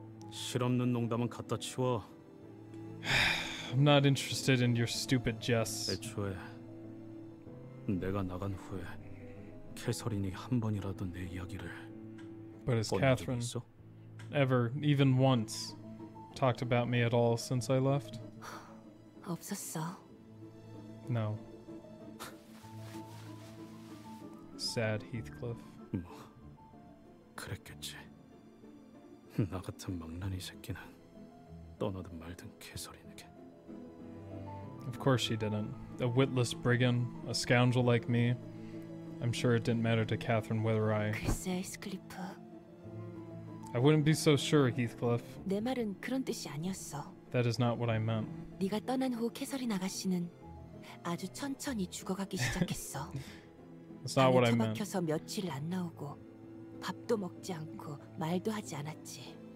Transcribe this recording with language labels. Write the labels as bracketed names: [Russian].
[Korean] 실없는 농담은 갖다 치워. [English] I'm not interested in your stupid jests. [Korean] 애초에 내가 나간 후에 캐서린이 한 번이라도 내 이야기를 [English] But has Catherine ever, even once, talked about me at all since I left? [Korean] 없었어. [English] No. Sad Heathcliff. [Korean] 뭐, 그랬겠지. 나 같은 망나니 새끼는 떠나든 말든 캐서린에게. [English] Of course she didn't. A witless brigand, a scoundrel like me. I'm sure it didn't matter to Catherine whether I... [Korean] 글쎄, 이스클리프. [English] I wouldn't be so sure, Heathcliff. [Korean] 내 말은 그런 뜻이 아니었어. [English] That is not what I meant. [Korean] 네가 떠난 후 캐서린 아가씨는 아주 천천히 죽어가기 시작했어. [English] That's not what I meant. [Korean] 처박혀서 며칠 안 나오고 밥도 먹지 않고 말도 하지 않았지.